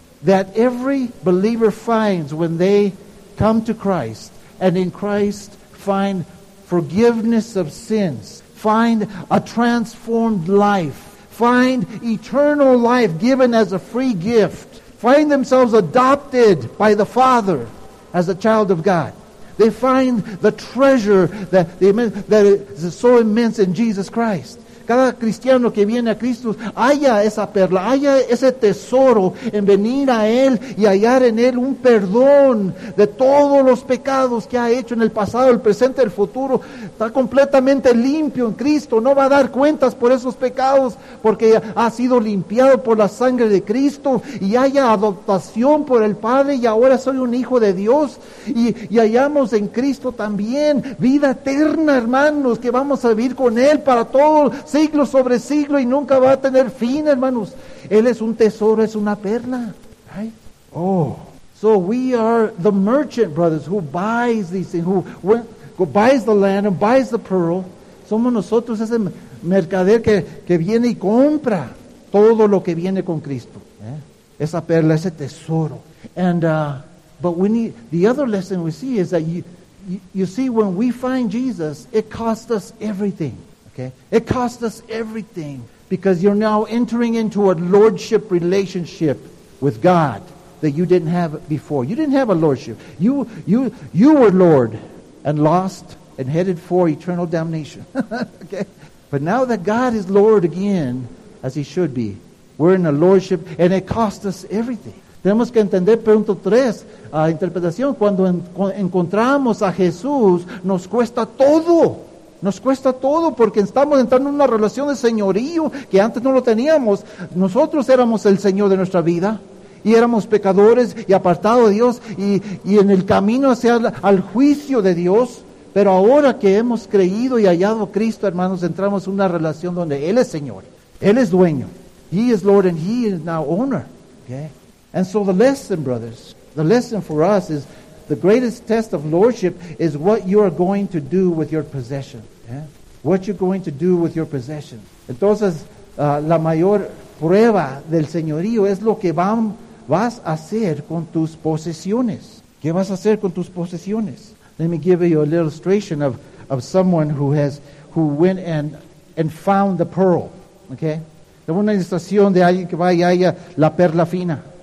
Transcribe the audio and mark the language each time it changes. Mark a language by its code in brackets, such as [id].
[en] That every believer finds when they come to Christ, and in Christ find forgiveness of sins, find a transformed life, find eternal life given as a free gift, find themselves adopted by the Father as a child of God. They find the treasure that is so immense in Jesus Christ. [es] Cada cristiano que viene a Cristo, haya esa perla, haya ese tesoro en venir a Él y hallar en Él un perdón de todos los pecados que ha hecho en el pasado, el presente, el futuro. Está completamente limpio en Cristo. No va a dar cuentas por esos pecados porque ha sido limpiado por la sangre de Cristo y haya adoptación por el Padre y ahora soy un hijo de Dios. Y hallamos en Cristo también vida eterna, hermanos, que vamos a vivir con Él para todos siglo sobre siglo y nunca va a tener fin, hermanos. Él es un tesoro, es una perla. Right? [en] Oh, so we are the merchant, brothers, who buys these things, who buys the land and buys the pearl. [es] Somos nosotros ese mercader que viene y compra todo lo que viene con Cristo. ¿Eh? Esa perla, ese tesoro. [en] And, but we need, the other lesson we see is that you see, when we find Jesus, it costs us everything. It costs us everything because you're now entering into a lordship relationship with God that you didn't have before. You didn't have a lordship. You were Lord and lost and headed for eternal damnation. Okay? But now that God is Lord again, as He should be, we're in a lordship and it costs us everything. [es] Tenemos que entender punto tres, interpretación. Cuando encontramos a Jesús, nos cuesta todo. Nos cuesta todo porque estamos entrando en una relación de señorío que antes no lo teníamos. Nosotros éramos el Señor de nuestra vida y éramos pecadores y apartados de Dios y en el camino hacia al juicio de Dios. Pero ahora que hemos creído y hallado a Cristo, hermanos, entramos en una relación donde Él es Señor. Él es dueño. [en] He is Lord and He is now owner. Okay? And so the lesson, brothers, the lesson for us is the greatest test of lordship is what you are going to do with your possession. Yeah? What you're going to do with your possession. [es] Entonces, la mayor prueba del señorío es lo que vas a hacer con tus posesiones. ¿Qué vas a hacer con tus posesiones? [en] Let me give you a little illustration of someone who went and found the pearl. Okay? [es] De una ilustración de alguien que va y haya la perla fina.